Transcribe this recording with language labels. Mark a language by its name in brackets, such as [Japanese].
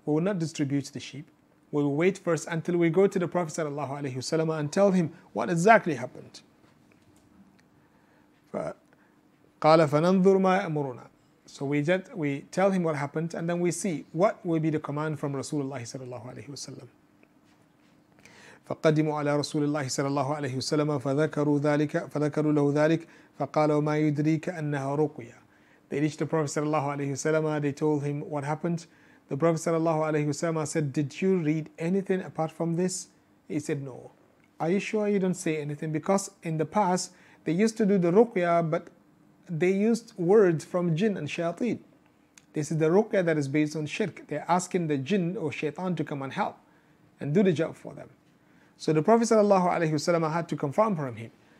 [English] We will not distribute the sheep. We will wait first until we go to the Prophet صلى الله عليه وسلم and tell him what exactly happened. [Arabic] فقال فننظر ما يأمرنا [English] So we tell him what happened and then we see what will be the command from رسول الله صلى الله عليه وسلم. [Arabic] فقدموا على رسول الله صلى الله عليه وسلم فذكروا ذلك فذكروا له ذلك فقالوا ما يدريك أنها رقية [English] They reached the Prophet صلى الله عليه وسلم They told him what happened The Prophet صلى الله عليه وسلم said Did you read anything apart from this? He said no Are you sure you don't say anything? Because in the past they used to do the رقية but they used words from jinn and shayateen This is the رقية that is based on shirk They're asking the jinn or shaitan to come and help and do the job for them So the Prophet sallallahu alaihi wasallam had to confirm from him.